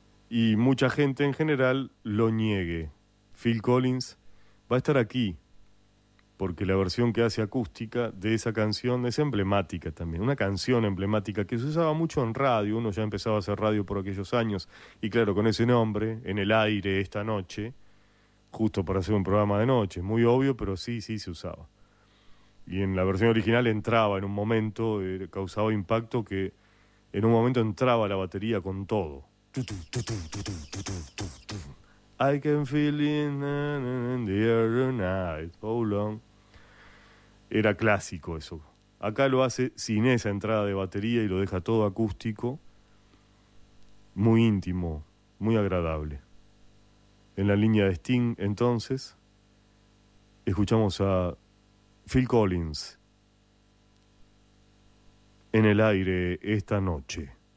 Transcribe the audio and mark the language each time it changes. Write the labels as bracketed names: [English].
[Spanish] y mucha gente en general lo niegue, Phil Collins va a estar aquí, porque la versión que hace acústica de esa canción es emblemática también, una canción emblemática que se usaba mucho en radio, uno ya empezaba a hacer radio por aquellos años, y claro, con ese nombre, en el aire esta noche, justo para hacer un programa de noche, muy obvio, pero sí, sí se usaba. Y en la versión original entraba en un momento, causaba impacto, que en un momento entraba la batería con todo. [English] I can feel it in the air tonight, so long. [Spanish] Era clásico eso. Acá lo hace sin esa entrada de batería y lo deja todo acústico. Muy íntimo, muy agradable. En la línea de Sting, entonces, escuchamos a Phil Collins en el aire esta noche.